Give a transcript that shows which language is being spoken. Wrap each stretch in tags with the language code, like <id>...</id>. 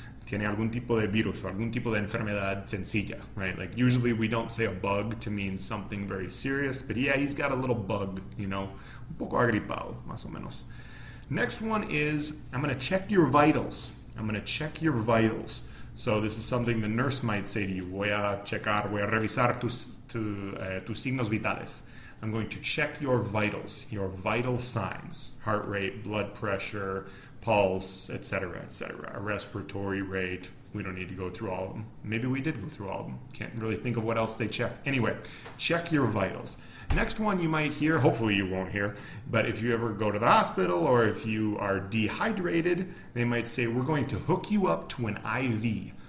<es>Tiene algún tipo de virus o algún tipo de enfermedad sencilla, right?</es> <en>Like, usually we don't say a bug to mean something very serious, but yeah, he's got a little bug, you know.</en> <es>Un poco agripado, más o menos.</es> <en>Next one is, I'm going to check your vitals. I'm going to check your vitals. So this is something the nurse might say to you.</en> <es>Voy a checar, voy a revisar tus signos vitales.</es> <en>I'm going to check your vitals, your vital signs, heart rate, blood pressure, pulse, etc., etc., respiratory rate. We don't need to go through all of them. Maybe we did go through all of them. Can't really think of what else they check. Anyway, check your vitals. Next one you might hear, hopefully you won't hear, but if you ever go to the hospital or if you are dehydrated, they might say, we're going to hook you up to an IV.</en>